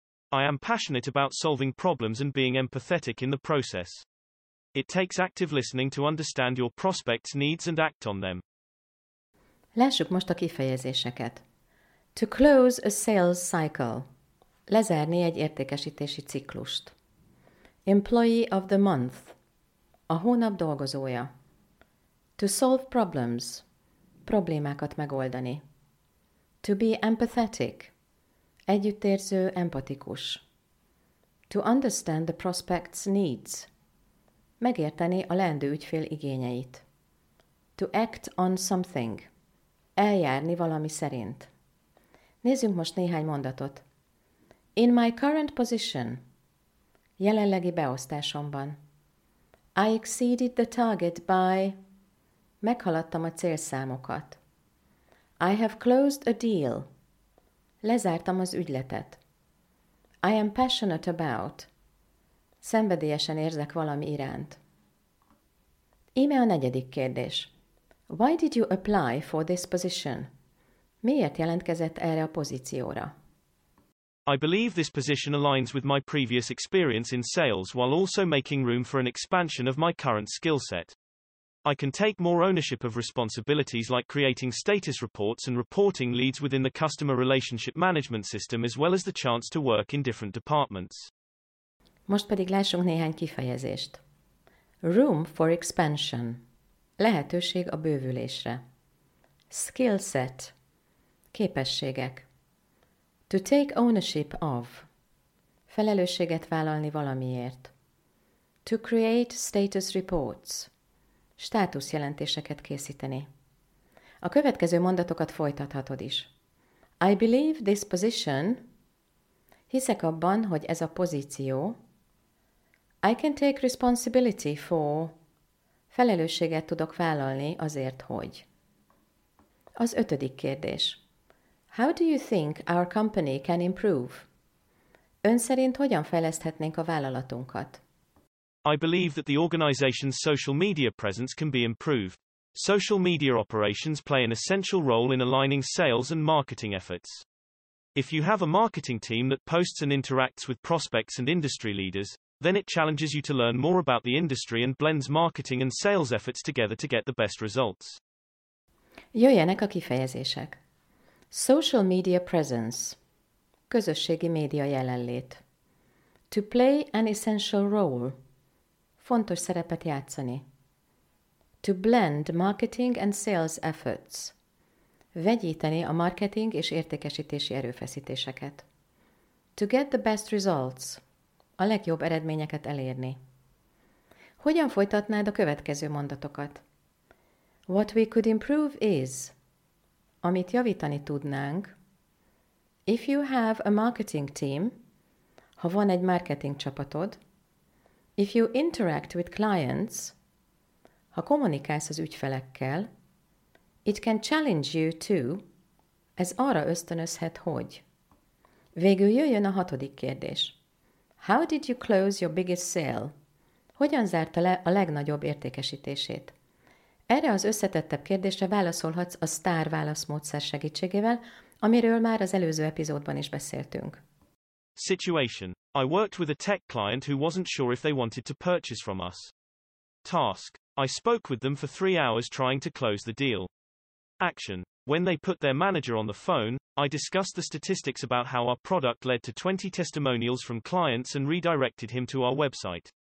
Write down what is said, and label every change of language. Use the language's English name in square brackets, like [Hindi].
[English] I am passionate about solving problems and being empathetic in the process. It takes active listening to understand your prospects' needs and act on them. [Hungarian] Lássuk most a kifejezéseket. [English] To close a sales cycle. [Hungarian] Lezárni egy értékesítési ciklust. [English] Employee of the month. [Hungarian] A hónap dolgozója. [English] To solve problems. [Hungarian] Problémákat megoldani. [English] To be empathetic. [Hungarian] Együttérző, empatikus. [English] To understand the prospect's needs. [Hungarian] Megérteni a leendő ügyfél igényeit. [English] To act on something. [Hungarian] Eljárni valami szerint. Nézzünk most néhány mondatot. [English] In my current position. [Hungarian] Jelenlegi beosztásomban. [English] I exceeded the target by... [Hungarian] Meghaladtam a célszámokat. [English] I have closed a deal. [Hungarian] Lezártam az ügyletet. [English] I am passionate about. [Hungarian] Szenvedélyesen érzek valami iránt. Íme a negyedik kérdés. [English] Why did you apply for this position? [Hungarian] Miért jelentkezett erre a pozícióra? [English] I believe this position aligns with my previous experience in sales while also making room for an expansion of my current skill set. I can take more ownership of responsibilities like creating status reports and reporting leads within the customer relationship management system as well as the chance to work in different departments. [Hungarian] Most pedig lássunk néhány kifejezést. [English] Room for expansion. [Hungarian] Lehetőség a bővülésre. [English] Skill set. [Hungarian] Képességek. [English] To take ownership of. [Hungarian] Felelősséget vállalni valamiért. [English] To create status reports. [Hungarian] Státuszjelentéseket készíteni. A következő mondatokat folytathatod is. [English] I believe this position. [Hungarian] Hiszek abban, hogy ez a pozíció. [English] I can take responsibility for. [Hungarian] Felelősséget tudok vállalni azért, hogy. Az ötödik kérdés. [English] How do you think our company can improve? [Hungarian] Ön szerint hogyan fejleszthetnénk a vállalatunkat? [English] I believe that the organization's social media presence can be improved. Social media operations play an essential role in aligning sales and marketing efforts. If you have a marketing team that posts and interacts with prospects and industry leaders, then it challenges you to learn more about the industry and blends marketing and sales efforts together to get the best results. [Hungarian] Jöjjenek a kifejezések. [English] Social media presence. [Hungarian] Közösségi média jelenlét. [English] To play an essential role. [Hungarian] Fontos szerepet játszani. [English] To blend marketing and sales efforts. [Hungarian] Vegyíteni a marketing és értékesítési erőfeszítéseket. [English] To get the best results. [Hungarian] A legjobb eredményeket elérni. Hogyan folytatnád a következő mondatokat? [English] What we could improve is... [Hungarian] Amit javítani tudnánk, [English] if you have a marketing team, [Hungarian] ha van egy marketing csapatod, [English] if you interact with clients, [Hungarian] ha kommunikálsz az ügyfelekkel, [English] it can challenge you to, [Hungarian] ez arra ösztönözhet, hogy. Végül jöjjön a hatodik kérdés. [English] How did you close your biggest sale? [Hungarian] Hogyan zárta le a legnagyobb értékesítését? Erre az összetettebb kérdésre válaszolhatsz a STAR válaszmódszer segítségével, amiről már az előző epizódban is beszéltünk. [English] Situation. I worked with a tech client who wasn't sure if they wanted to purchase from us. Task. I spoke with them for 3 hours trying to close the deal. Action. When they put their manager on the phone, I discussed the statistics about how our product led to 20 testimonials from clients and redirected him to our website.